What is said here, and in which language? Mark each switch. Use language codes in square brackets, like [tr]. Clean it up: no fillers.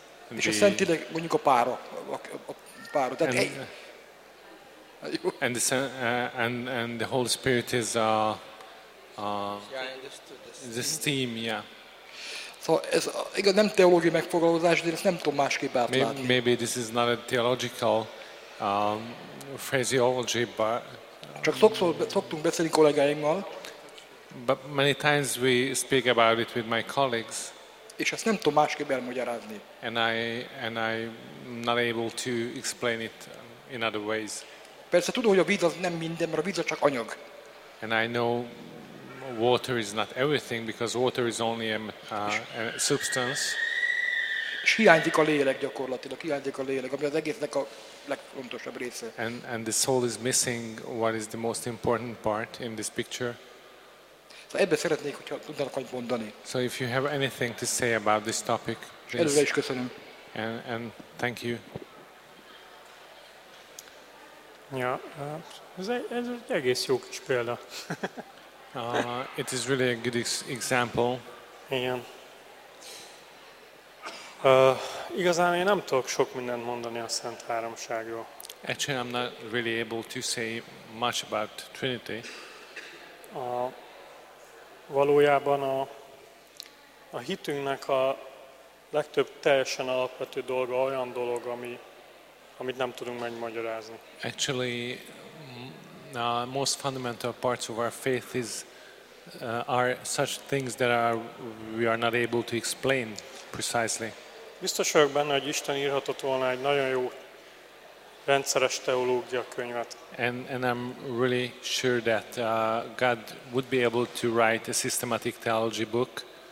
[hu] And és a Szentlélek mondjuk a pára. Tehát egy. [en] And the Holy Spirit is the steam, yeah. [hu] Szóval ez igaz, nem teológiai megfogalmazás, de én ezt nem tudom másképp átlátni. [en] Maybe this is not a theological phraseology, but... [hu] Csak szoktunk beszélni kollégáimmal. [en] But many times we speak about it with my colleagues. [hu] És ezt nem tudom másképp elmagyarázni. [en] And I'm not able to explain it in other ways. [hu] Persze tudom, hogy a víz az nem minden, mert a víz az csak anyag. [en] And I know... Water is not everything because water is only a substance. [hu] És hiányzik a lélek gyakorlatilag, hiányzik a lélek, ami az egésznek a legfontosabb része. [en] And the soul is missing what is the most important part in this picture. [hu] Szóval ebbe szeretnék, hogyha tudnának annyit mondani. [en] So if you have anything to say about this topic, please. [hu] Előre is köszönöm. [en] And thank you. [hu] Ja, ez egy egész jó kis példa. [en] It is really a good example. [hu] Igen. Igazán én nem tudok sok mindent mondani a Szent Háromságról. [en] Actually, I'm not really able to say much about Trinity. [hu] Valójában a hitünknek a legtöbb teljesen alapvető dolga olyan dolog, amit nem tudunk megmagyarázni. [en] Actually, the most fundamental parts of our faith is are such things that we are not able to explain precisely. [hu] Biztos vagyok benne, hogy Isten írhatott volna egy nagyon jó rendszeres teológia könyvet. [en] And I'm really sure that God would be able to write a systematic theology book.